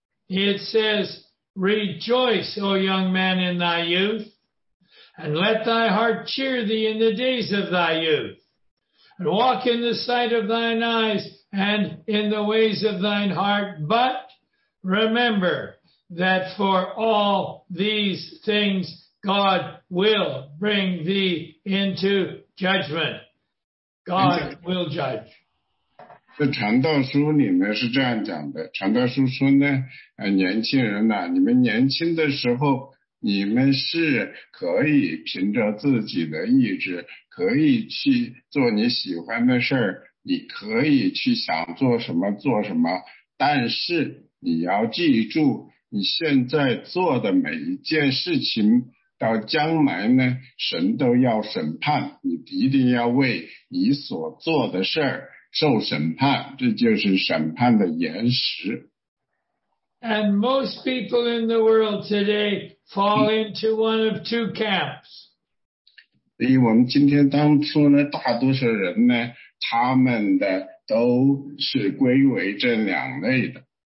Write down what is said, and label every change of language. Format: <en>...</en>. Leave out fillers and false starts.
<en>It says, Rejoice, O young man, in thy youth, and let thy heart cheer thee in the days of thy youth, and walk in the sight of thine eyes and in the ways of thine heart. But remember that for all these things, God will bring thee into judgment. God will judge.</en> <zh>传道书里面是这样讲的，传道书说呢，年轻人啊，你们年轻的时候，你们是可以凭着自己的意志，可以去做你喜欢的事儿，你可以去想做什么做什么，但是你要记住，你现在做的每一件事情，到将来呢，神都要审判，你一定要为你所做的事儿受审判，这就是审判的延时。</zh> <en>And most people in the world today fall into one of two camps.</en> <zh>所以我们今天当初呢，大多数人呢，他们的都是归为这两类的。</zh>